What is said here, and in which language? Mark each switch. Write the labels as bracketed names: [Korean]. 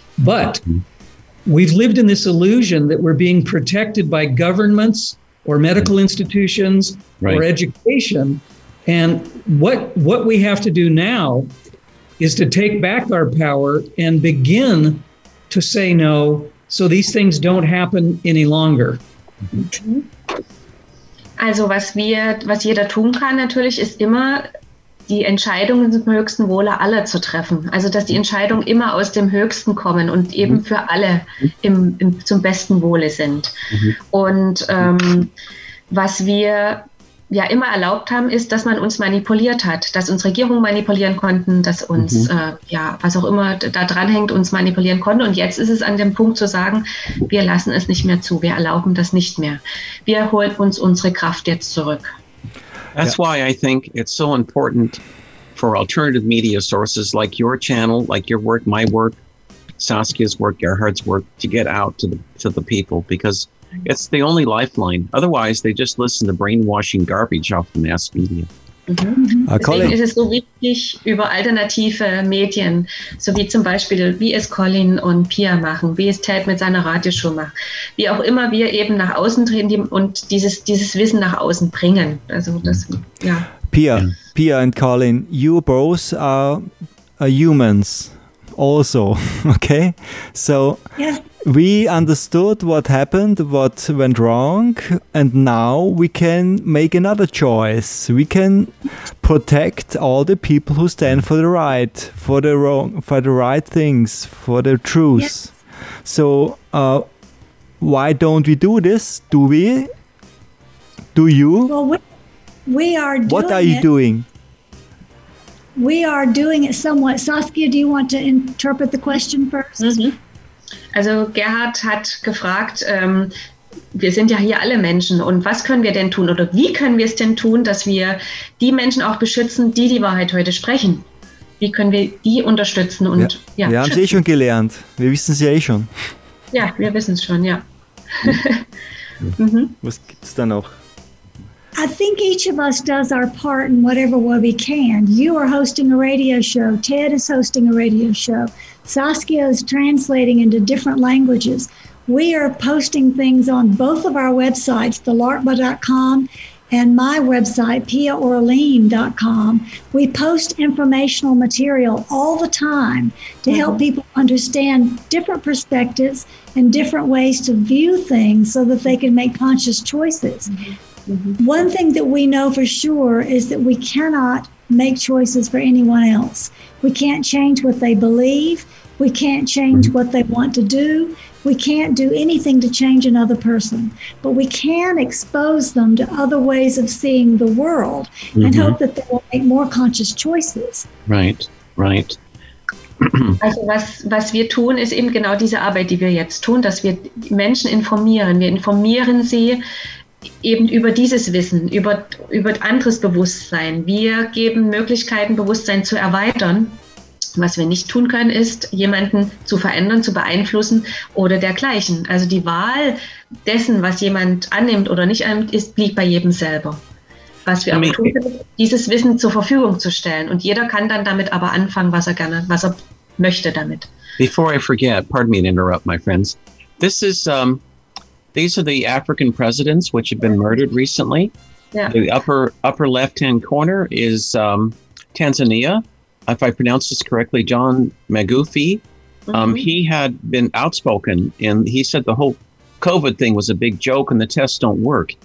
[English] But we've lived in this illusion that we're being protected by governments or medical institutions or education. And what we have to do now is to take back our power and begin to say no, so these things don't happen any longer. [German] Also was jeder tun kann natürlich, ist immer die Entscheidungen zum höchsten Wohle aller zu treffen. Also dass die Entscheidungen immer aus dem Höchsten kommen und eben für alle zum besten Wohle sind. Mhm. Und was wir ja immer erlaubt haben, ist, dass man uns manipuliert hat, dass uns Regierungen manipulieren konnten, dass uns, was auch immer da dranhängt, uns manipulieren konnte. Und jetzt ist es an dem Punkt zu sagen, wir lassen es nicht mehr zu, wir erlauben das nicht mehr. Wir holen uns unsere Kraft jetzt zurück. [English] That's why I think it's so important for alternative media sources like your channel, like your work, my work, Saskia's work, Gerhard's work, to get out to the people, because it's the only lifeline. Otherwise, they just listen to brainwashing garbage off the mass media. Mm-hmm. [German] Deswegen ist es so wichtig, über alternative Medien, so wie zum Beispiel, wie es Colin und Pia machen, wie es Ted mit seiner Radioshow macht, wie auch immer wir eben nach außen drehen und dieses Wissen nach außen bringen. Also das, [English] Pia and Colin, you both are humans also, okay? So, we understood what happened, what went wrong, and now we can make another choice. We can protect all the people who stand for the right, for the wrong, for the right things, for the truth. Yes. So, why don't we do this? Do we? Do you? Well, we are doing it. What are you doing? We are doing it somewhat. Saskia, do you want to interpret the question first? Mm-hmm. [German] Also Gerhard hat gefragt, wir sind ja hier alle Menschen und was können wir denn tun oder wie können wir es denn tun, dass wir die Menschen auch beschützen, die die Wahrheit heute sprechen? Wie können wir die unterstützen? Und ja, wir haben es eh schon gelernt. Wir wissen es ja eh schon. Ja, wir wissen es schon, ja. Was gibt es da noch? [English] I think each of us does our part in whatever way we can. You are hosting a radio show. Ted is hosting a radio show. Saskia is translating into different languages. We are posting things on both of our websites, thelarkba.com and my website, piaorlean.com. We post informational material all the time to help people understand different perspectives and different ways to view things so that they can make conscious choices. Mm-hmm. One thing that we know for sure is that we cannot make choices for anyone else. We can't change what they believe. We can't change what they want to do. We can't do anything to change another person. But we can expose them to other ways of seeing the world and hope that they will make more conscious choices. Right, right. [German] Also was wir tun, ist eben genau diese Arbeit, die wir jetzt tun, dass wir Menschen informieren. Wir informieren sie eben über dieses Wissen, über anderes Bewusstsein. Wir geben Möglichkeiten, Bewusstsein zu erweitern. Was wir nicht tun können, ist, jemanden zu verändern, zu beeinflussen oder dergleichen. Also die Wahl dessen, was jemand annimmt oder nicht annimmt, ist, blieb bei jedem selber. Was wir auch tun können, dieses Wissen zur Verfügung zu stellen. Und jeder kann dann damit aber anfangen, was er möchte damit. [English] Before I forget, pardon me to interrupt, my friends. This is, these are the African presidents, which have been murdered recently. Yeah. The upper left-hand corner is Tanzania. If I pronounce this correctly, John Magufi, he had been outspoken and he said the whole COVID thing was a big joke and the tests don't work.